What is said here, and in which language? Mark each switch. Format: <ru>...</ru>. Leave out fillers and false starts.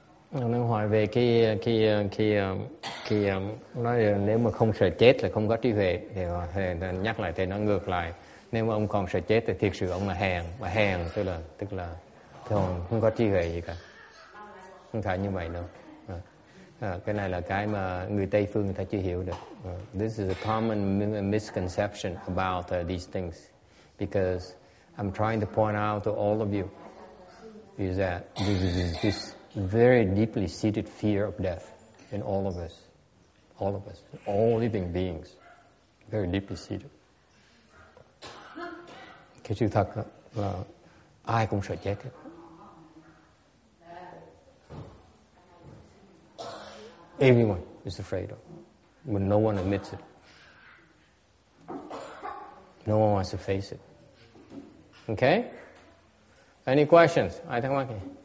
<vi>Nếu hỏi về cái nói là nếu mà không sợ chết là không có trí huệ thì nhắc lại thì nó ngược lại, nếu mà ông còn sợ chết thì thiệt sự ông là hèn, và hèn tức là thường không có trí huệ gì cả, không phải như vậy đâu. Cái này là cái mà người Tây phương người ta chưa hiểu được.</vi> <en>This is a common misconception about these things, because I'm trying to point out to all of you is that this very deeply seated fear of death in all of us, all living beings, very deeply seated.</en> <vi>Cái sự thật là ai cũng sợ chết hết.</vi> <en>Everyone is afraid of, but no one admits it. No one wants to face it. Okay? Any questions? I think okay.</en>